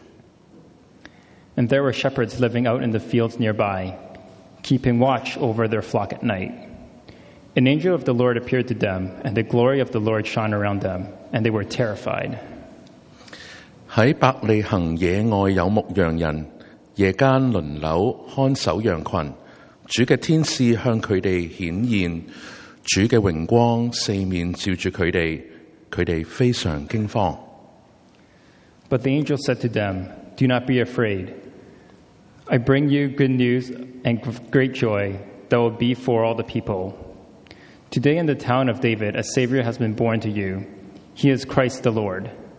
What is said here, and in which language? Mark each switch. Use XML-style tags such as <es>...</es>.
<en>And there were shepherds living out in the fields nearby, keeping watch over their flock at night. An angel of the Lord appeared to them, and the glory of the Lord shone around them, and they were terrified.</en> <yue>在伯利恒野外有牧羊人，夜间轮流看守羊群。主嘅天使向佢哋显现，主嘅荣光四面照住佢哋，佢哋非常惊慌。</yue> <en>But the angel said to them, Do not be afraid. I bring you good news and great joy that will be for all the people. Today in the town of David, a Savior has been born to you. He is Christ the Lord.</en>